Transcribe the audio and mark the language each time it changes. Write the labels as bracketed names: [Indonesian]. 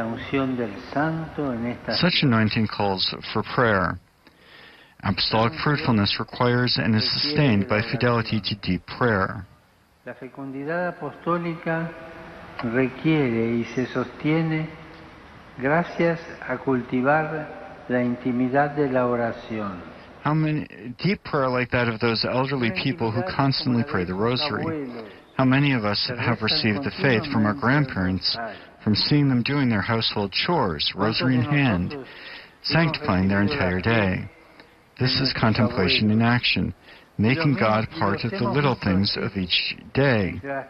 [English] Such anointing calls for prayer. Apostolic fruitfulness requires and is sustained by fidelity to deep prayer. [Spanish] La fecundidad apostólica requiere y se sostiene gracias a cultivar la intimidad de la oración. [English] How many deep prayer like that of those elderly people who constantly pray the rosary? How many of us have received the faith from our grandparents, from seeing them doing their household chores, rosary in hand, sanctifying their entire day? This is contemplation in action, making God part of the little things of each day.